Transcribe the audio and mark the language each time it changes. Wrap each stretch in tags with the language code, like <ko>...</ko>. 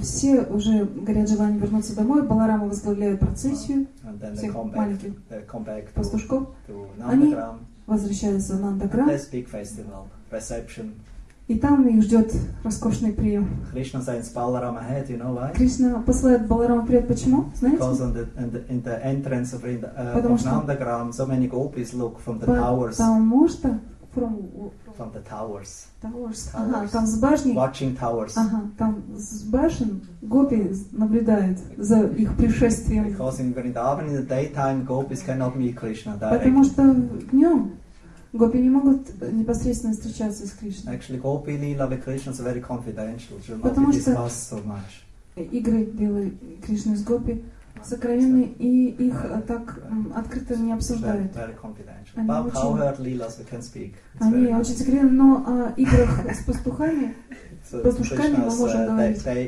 <ru>Все уже горят желанием вернуться домой. Баларама возглавляет процессию. Всех маленьких пастушков. Они возвращаются в Нандаграм.</ru> <en>This big festival, reception.</en> <ru>И там их ждет роскошный прием.</ru> <en>Кришна sends Balarama ahead, you know why?</en> <ru>Кришна посылает Баларама вперед. Почему? Знаете?</ru> <en>Because on the entrance of Nandagram, so many gopis look from the towers.</en> <ru>Потому что</ru> <en>from the towers.</en> <ru>Towers. Ага, там с башни.</ru> <en>Watching towers.</en> <ru>Ага, там с башен гопи наблюдают за их пришествием.</ru> <en>Because in Vrindavan in the daytime gopis cannot meet Krishna directly.</en> <ru>Потому что днем гопи не могут непосредственно встречаться с Кришной.</ru> <en>Actually, gopi lila with Krishna is very confidential. It should not be discussed so much.</en> <ru>Игры лилы Кришны с гопи сокровенные, и их так открыто не обсуждают. Они очень секретны, но о играх с пастухами, пастушками мы можем говорить.</ru>